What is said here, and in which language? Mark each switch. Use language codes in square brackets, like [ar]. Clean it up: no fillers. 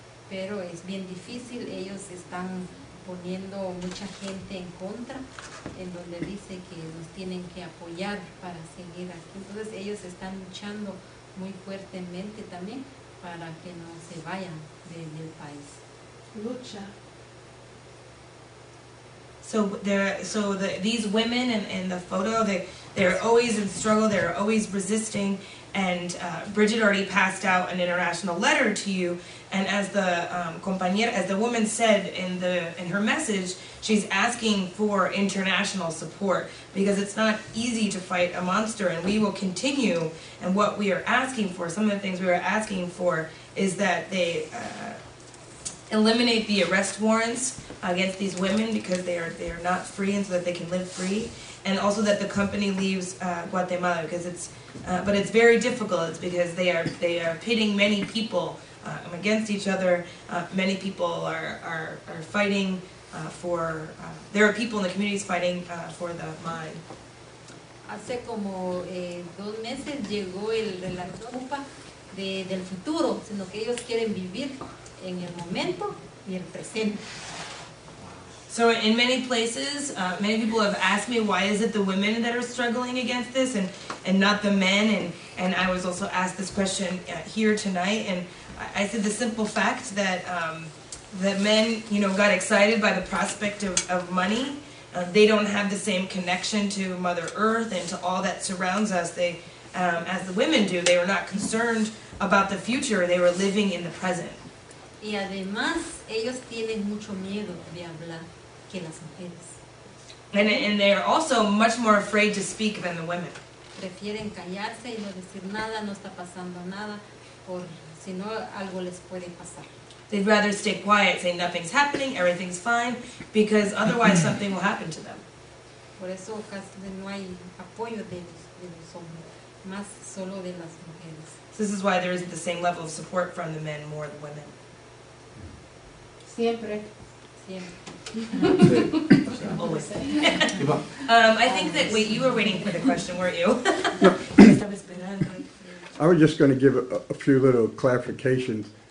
[es] Pero es bien difícil, ellos están poniendo mucha gente en contra, en donde dice que nos tienen que apoyar para seguir aquí. Entonces ellos están luchando muy fuertemente también para que no se vayan del país. Lucha. [en] So these women in the photo, they're always in struggle, they're always resisting, and Bridget already passed out an international letter to you, and as the compañera, as the woman said in her message, she's asking for international support, because it's not easy to fight a monster, and we will continue. And what we are asking for, some of the things we are asking for, is that they eliminate the arrest warrants against these women, because they are not free, and so that they can live free. And also that the company leaves Guatemala, because it's very difficult. It's because they are pitting many people against each other. Many people are fighting for. There are people in the communities fighting for the mine. [es] Hace como dos meses llegó la tropa del futuro, sino que ellos quieren vivir en el momento y el presente. [en] So in many places, many people have asked me, why is it the women that are struggling against this and not the men? And I was also asked this question here tonight. And I said the simple fact that the men, you know, got excited by the prospect of money. They don't have the same connection to Mother Earth and to all that surrounds us as the women do. They were not concerned about the future. They were living in the present. [es] Y además, ellos tienen mucho miedo de hablar que las mujeres. [en] And they are also much more afraid to speak than the women. [es] Prefieren callarse y no decir nada, no está pasando nada, por si no algo les puede pasar. [en] They'd rather stay quiet, say nothing's happening, everything's fine, because otherwise something will happen to them. [es] Por eso casi no hay apoyo de los hombres, más solo de las mujeres. [en] So this is why there isn't the same level of support from the men more than women. [es] Siempre. [en] I think that, wait, you were waiting for the question, weren't you? I was just going to give a few little clarifications.